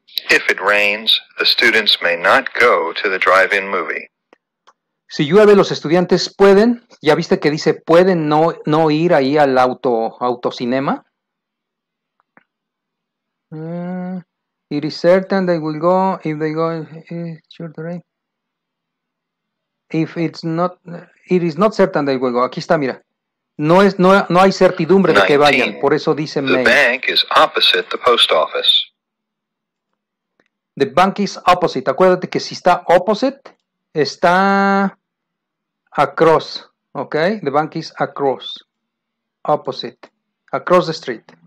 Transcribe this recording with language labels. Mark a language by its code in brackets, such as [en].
[en] If it rains, the students may not go to the drive-in movie. [es] Si llueve, los estudiantes pueden, ya viste que dice, pueden no ir ahí al autocinema. [en] It is certain they will go if they go children. If it's not, it is not certain they will go. [es] Aquí está, mira. No hay certidumbre de que vayan, por eso dice [en] May. The bank is opposite the post office. The bank is opposite. [es] Acuérdate que si está opposite, está across, ¿ok? [en] The bank is across, opposite, across the street.